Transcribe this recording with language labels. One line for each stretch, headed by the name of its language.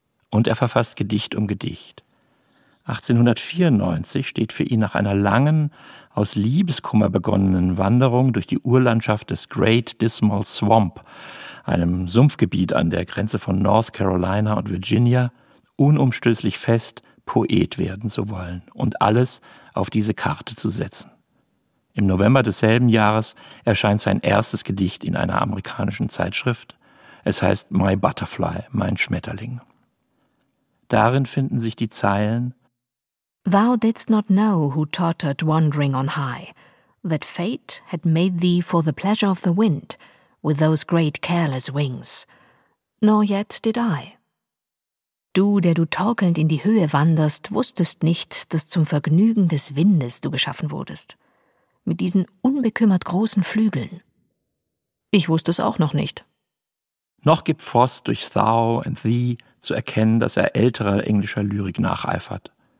German: Und er verfasst Gedicht um Gedicht. 1894 steht für ihn nach einer langen, aus Liebeskummer begonnenen Wanderung durch die Urlandschaft des Great Dismal Swamp, einem Sumpfgebiet an der Grenze von North Carolina und Virginia, unumstößlich fest, Poet werden zu wollen und alles auf diese Karte zu setzen. Im November desselben Jahres erscheint sein erstes Gedicht in einer amerikanischen Zeitschrift. Es heißt My Butterfly, mein Schmetterling. Darin finden sich die Zeilen:
English: Thou didst not know who tottered wandering on high, that fate had made thee for the pleasure of the wind with those great careless wings, nor yet did I.
German: Du, der du torkelnd in die Höhe wanderst, wusstest nicht, dass zum Vergnügen des Windes du geschaffen wurdest, mit diesen unbekümmert großen Flügeln. Ich wusste es auch noch nicht. Noch gibt Frost durch thou and thee zu erkennen, dass er älterer englischer Lyrik nacheifert.